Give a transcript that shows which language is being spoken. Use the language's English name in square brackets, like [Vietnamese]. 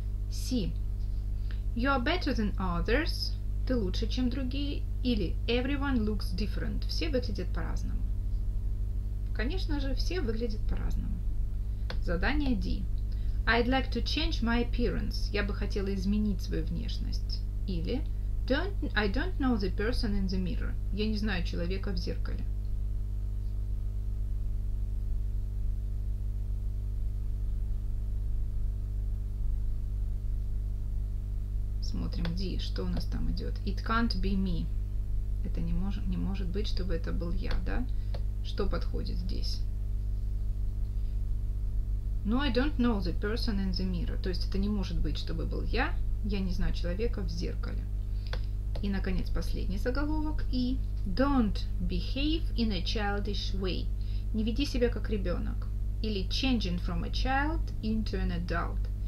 [English] See. You are better than others. [Russian] Ты лучше, чем другие. Или [English] everyone looks different. [Russian] Все выглядят по-разному. Конечно же, все выглядят по-разному. Задание D. [English] I'd like to change my appearance. [Russian] Я бы хотела изменить свою внешность. [English] Или I don't know the person in the mirror. [Russian] Я не знаю человека в зеркале. Смотрим D. Что у нас там идет? [English] It can't be me. [Russian] Это не может быть, чтобы это был я, да? Что подходит здесь? [English] No, I don't know the person in the mirror. [Russian] То есть это не может быть, чтобы был я. Я не знаю человека в зеркале. И, наконец, последний заголовок. [English] И don't behave in a childish way. [Russian] Не веди себя как ребенок. [English] Или changing from a child into an adult.